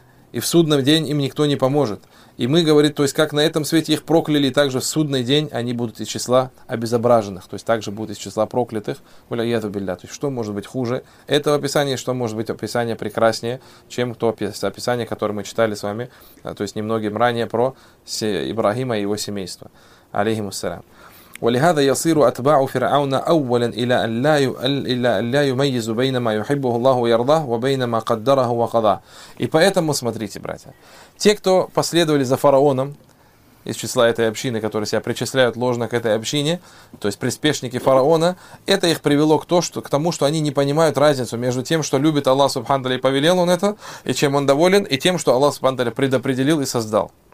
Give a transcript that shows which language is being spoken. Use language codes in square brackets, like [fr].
[ru] И в судный день им никто не поможет. И мы, говорит, то есть как на этом свете их прокляли, так же в судный день они будут из числа обезображенных, то есть также будут из числа проклятых. То есть что может быть хуже этого описания, что может быть описание прекраснее, чем то описание, которое мы читали с вами, то есть немногим ранее про Ибрахима и его семейство. Алейхиму ассалям. [ar] ولهذا يصير أتباع فرعون أولا إلى أن لا يميز بين ما يحبه الله ويرضاه وبين ما قدره وقضاه. [ru] И поэтому смотрите, братья, те, кто последовали за фараоном из числа этой общины, которые себя причисляют ложно к этой общине, то есть приспешники фараона, это их привело к тому, что они не понимают разницу между тем, что любит Аллах Субхану Тааля и повелел он это, и чем он доволен, и тем, что Аллах Субхану Тааля предопределил и создал.